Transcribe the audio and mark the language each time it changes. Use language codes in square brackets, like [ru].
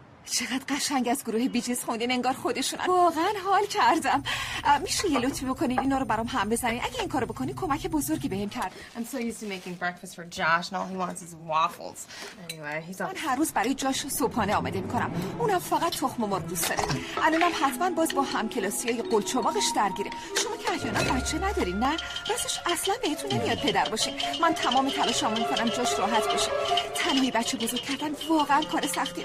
[fa] چقدر قشنگ از گروه بیجیز خوندین، انگار خودشون. واقعا حال کردم. میشه یه لطفی بکنین اینا رو برام هم بزنین؟ اگه این کارو بکنین کمک بزرگی بهم کرد. [en] I'm so used to making breakfast for Josh and all he wants is waffles. Anyway, he's [fa] من هر روز برای جاش صبحانه آماده میکنم، اونم فقط تخم مرغ دوست داره. الانم حتما باز با همکلاسیای قلچواقش درگیره. شما که احیانا بچه ندارین نه؟ راستش اصلا بهتون نمیاد پدر باشین. من تمام تلاشامو میکنم جاش راحت بشه. تنهایی بچه بزرگ کردن واقعا کار سختی.